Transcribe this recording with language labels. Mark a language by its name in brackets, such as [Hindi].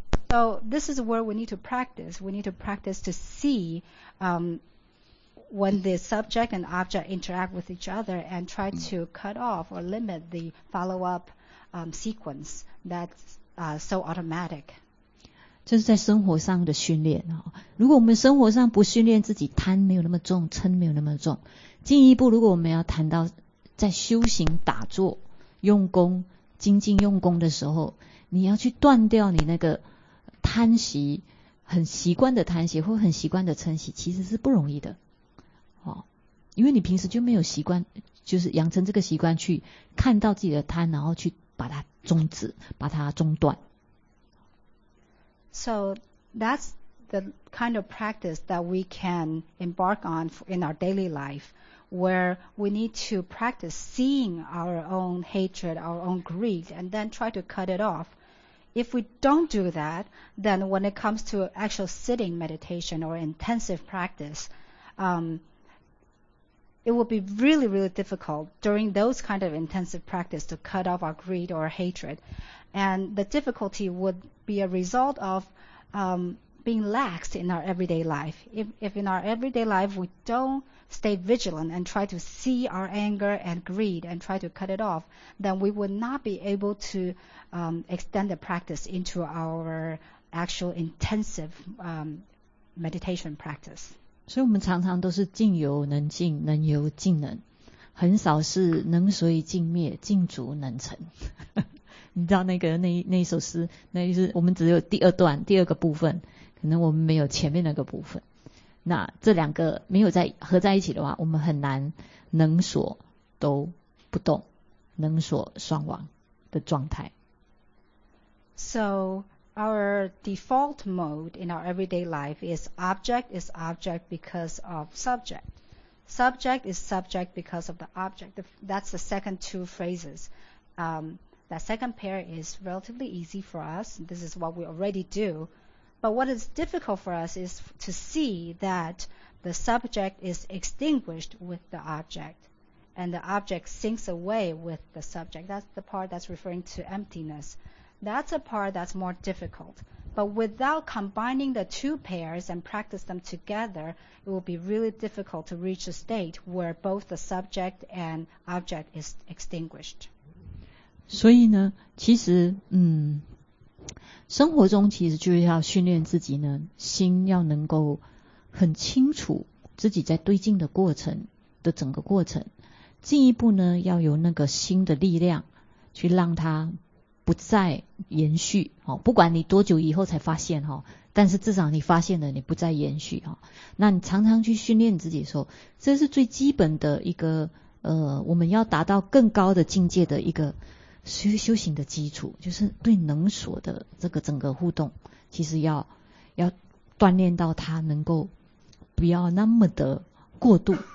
[English] So this is where we need to practice. We need to practice to see when the subject and object interact with each other and try to cut off or limit the follow-up sequence that's so automatic. [Chinese] 这是在生活上的训练，如果我们生活上不训练自己贪没有那么重，嗔没有那么重，进一步如果我们要谈到在修行打坐用功精进用功的时候，你要去断掉你那个贪习，很习惯的贪习或很习惯的嗔习，其实是不容易的，因为你平时就没有习惯，就是养成这个习惯去看到自己的贪，然后去把它终止，把它中断。 [English] So that's the kind of practice that we can embark on in our daily life, where we need to practice seeing our own hatred, our own greed, and then try to cut it off. If we don't do that, then when it comes to actual sitting meditation or intensive practice, it will be really, really difficult during those kind of intensive practice to cut off our greed or hatred. And the difficulty would be a result of being lax in our everyday life. If in our everyday life we don't stay vigilant and try to see our anger and greed and try to cut it off, then we would not be able to extend the practice into our actual intensive meditation practice. [Chinese] 所以我们常常都是静由能静，能由静能，很少是能随静灭，静足能成。你知道那个那一首诗，那就是我们只有第二段第二个部分，可能我们没有前面那个部分，那这两个没有在合在一起的话，我们很难能所都不动，能所双亡的状态。 [English] So our default mode in our everyday life is object because of subject. Subject is subject because of the object. That's the second two phrases. That second pair is relatively easy for us. This is what we already do. But what is difficult for us is to see that the subject is extinguished with the object, and the object sinks away with the subject. That's the part that's referring to emptiness. That's a part that's more difficult. But without combining the two pairs and practice them together, it will be really difficult to reach a state where both the subject and object is extinguished. [Chinese] 所以呢，其实生活中其实就是要训练自己呢，心要能够很清楚自己在对镜的过程的整个过程，进一步呢要有那个心的力量去让它不再延续，不管你多久以后才发现，但是至少你发现了你不再延续，那你常常去训练自己说，这是最基本的一个我们要达到更高的境界的一个修行的基础，就是对能所的这个整个互动，其实要锻炼到它能够不要那么的过度这样子。